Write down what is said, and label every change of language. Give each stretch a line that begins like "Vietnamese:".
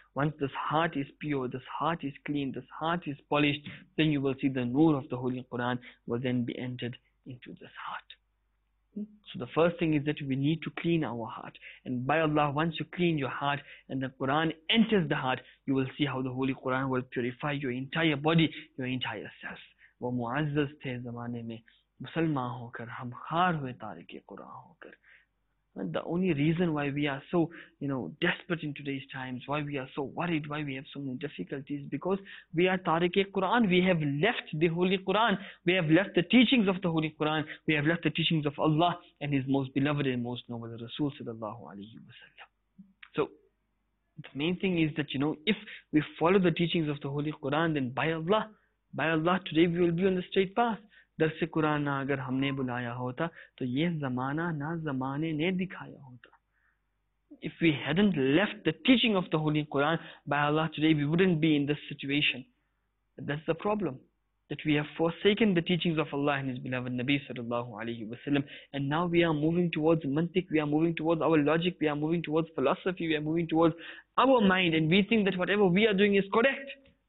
English: Once this heart is pure, this heart is clean, this heart is polished, then you will see the nur of the Holy Quran will then be entered into this heart. So the first thing is that we need to clean our heart. And by Allah, once you clean your heart and the Quran enters the heart, you will see how the Holy Quran will purify your entire body, your entire self.
Urdu: وہ معزز تھے زمانے میں مسلمان ہو کر ہم خار ہوئے تارک قرآن ہو کر.
English: And the only reason why we are so, you know, desperate in today's times, why we are so worried, why we have so many difficulties, because we are Tariq-e-Quran. We have left the Holy Quran. We have left the teachings of the Holy Quran. We have left the teachings of Allah and His most beloved and most noble Rasul sallallahu alayhi wa sallam. So, the main thing is that, you know, if we follow the teachings of the Holy Quran, then by Allah, today we will be on the straight path.
Urdu: درس قرآن نہ اگر ہم نے بلایا ہوتا تو یہ زمانہ نہ زمانے نے دکھایا ہوتا.
English: If we hadn't left the teaching of the Holy Quran, by Allah, today we wouldn't be in this situation. But that's the problem, that we have forsaken the teachings of Allah and His beloved Nabi sallallahu alayhi wa sallam, and now we are moving towards mantiq, we are moving towards our logic, we are moving towards philosophy, we are moving towards our mind, and we think that whatever we are doing is correct.